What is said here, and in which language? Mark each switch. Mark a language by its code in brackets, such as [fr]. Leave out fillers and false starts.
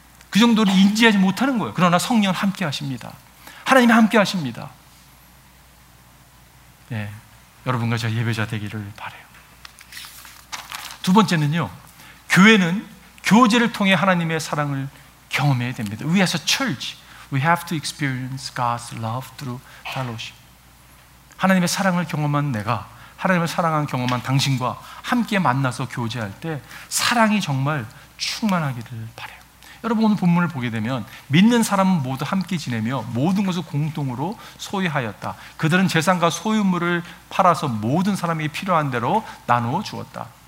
[ko] 그 정도로 인지하지 못하는 거예요. 그러나 성령은 함께 하십니다. 하나님이 함께 하십니다. 예, 여러분과 제가 예배자 되기를 바라요. 두 번째는요, 교회는 교제를 통해 하나님의 사랑을 경험해야 됩니다. [en] We as a church, we have to experience God's love through fellowship. [ko] 하나님의 사랑을 경험한 내가, 하나님을 사랑한 경험한 당신과 함께 만나서 교제할 때 사랑이 정말 충만하기를 바라요. 여러분 오늘 본문을 보게 되면 믿는 사람은 모두 함께 지내며 모든 것을 공동으로 소유하였다. 그들은 재산과 소유물을 팔아서 모든 사람에게 필요한 대로 나누어 주었다.